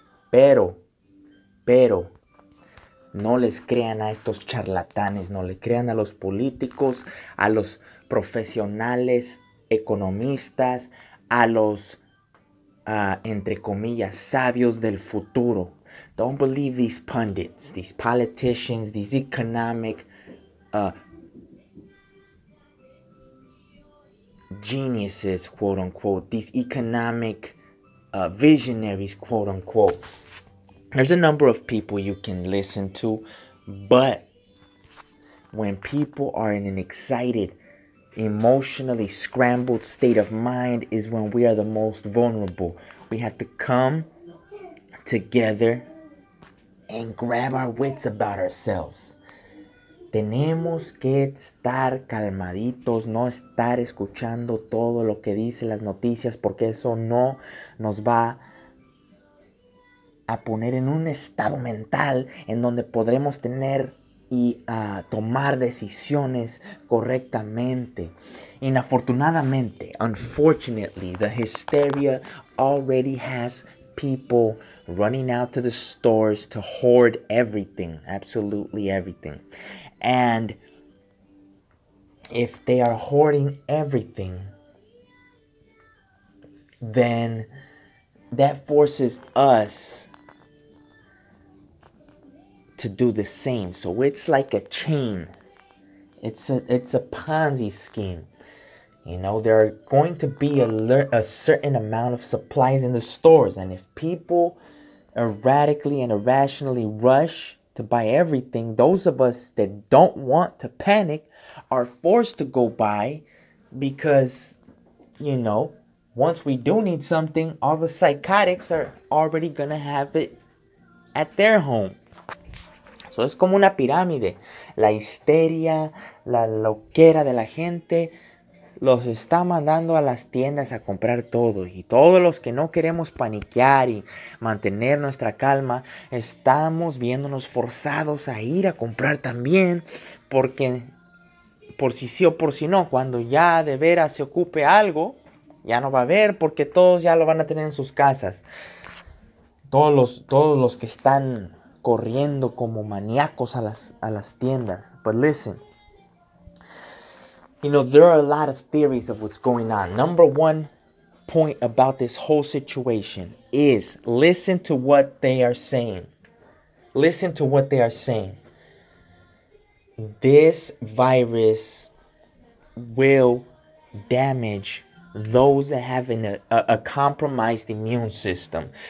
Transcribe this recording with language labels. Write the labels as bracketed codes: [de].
[es] Pero, no les crean a estos charlatanes, no le crean a los políticos, a los profesionales economistas, a los, entre comillas, sabios del futuro. [en] Don't believe these pundits, these politicians, these economic geniuses, quote unquote, these economic visionaries, quote unquote. There's a number of people you can listen to, but when people are in an excited, emotionally scrambled state of mind is when we are the most vulnerable. We have to come together and grab our wits about ourselves. [es] Tenemos que estar calmaditos, no estar escuchando todo lo que dicen las noticias, porque eso no nos va a poner en un estado mental en donde podremos tener y tomar decisiones correctamente. Inafortunadamente, [en] unfortunately, the hysteria already has people running out to the stores to hoard everything, absolutely everything. And if they are hoarding everything, then that forces us to do the same. So it's like a chain. It's a Ponzi scheme. You know, there are going to be a certain amount of supplies in the stores. And if people erratically and irrationally rush to buy everything, those of us that don't want to panic are forced to go buy because, you know, once we do need something, all the psychotics are already going to have it at their home. [es] So es como una pirámide. La histeria, la loquera de la gente los está mandando a las tiendas a comprar todo. Y todos los que no queremos paniquear y mantener nuestra calma, estamos viéndonos forzados a ir a comprar también. Porque por si sí o por si no, cuando ya de veras se ocupe algo, ya no va a haber porque todos ya lo van a tener en sus casas. Todos los que están corriendo como maníacos a las tiendas. [en] But listen, you know, there are a lot of theories of what's going on. Number one point about this whole situation is listen to what they are saying. Listen to what they are saying. This virus will damage those that have a compromised immune system.